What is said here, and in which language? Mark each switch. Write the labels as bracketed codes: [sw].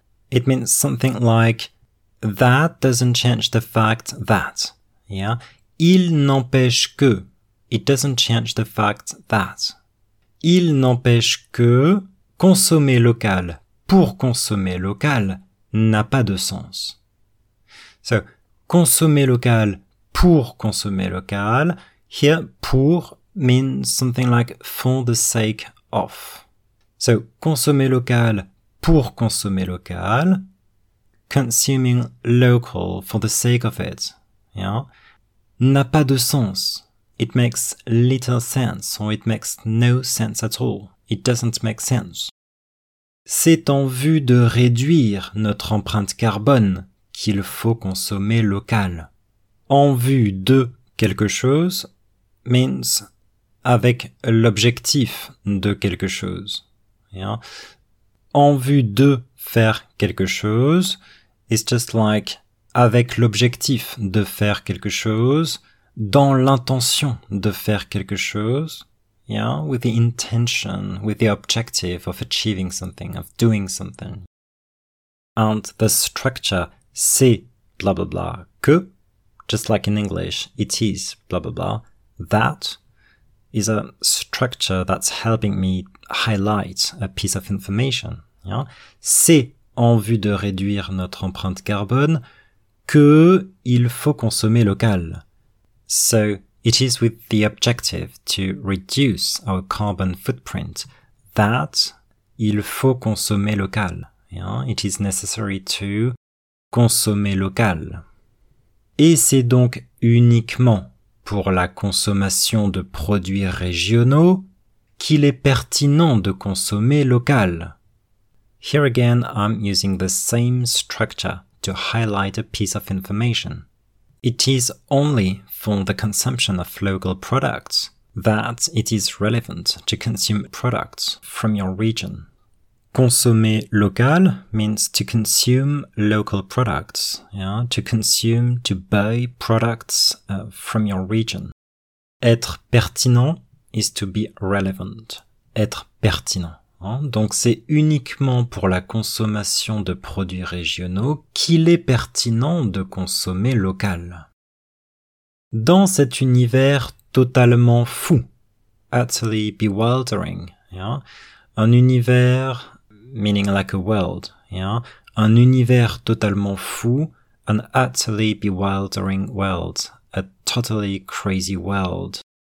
[en] It means something like that doesn't change the fact that. Yeah? [fr] Il n'empêche que. [en] It doesn't change the fact that. [fr] Il n'empêche que consommer local pour consommer local n'a pas de sens. So, consommer local pour consommer local. [en] Here, pour means something like for the sake of. [fr] So, consommer local pour consommer local. [en] Consuming local for the sake of it. Yeah? [fr] N'a pas de sens. [en] It makes little sense or it makes no sense at all. It doesn't make sense. [fr] C'est en vue de réduire notre empreinte carbone qu'il faut consommer local. En vue de quelque chose means avec l'objectif de quelque chose. Yeah? En vue de faire quelque chose is just like avec l'objectif de faire quelque chose, dans l'intention de faire quelque chose, [en] yeah, with the intention, with the objective of achieving something, of doing something. And the structure, c'est blah blah blah, que, just like in English, it is blah blah blah, that is a structure that's helping me highlight a piece of information. [fr] Yeah, c'est en vue de réduire notre empreinte carbone, que il faut consommer local. [en] So, it is with the objective to reduce our carbon footprint that [fr] il faut consommer local. [en] Yeah? It is necessary to [fr] consommer local. Et c'est donc uniquement pour la consommation de produits régionaux qu'il est pertinent de consommer local. [en] Here again, I'm using the same structure to highlight a piece of information. It is only for the consumption of local products that it is relevant to consume products from your region. [fr] Consommer local [en] means to consume local products, yeah? To consume, to buy products from your region. [fr] Être pertinent [en] is to be relevant. [fr] Être pertinent. Donc c'est uniquement pour la consommation de produits régionaux qu'il est pertinent de consommer local. Dans cet univers totalement fou, [en] utterly bewildering, yeah, un univers, meaning like a world, yeah, [fr] un univers totalement fou, [en] an utterly bewildering world, a totally crazy world.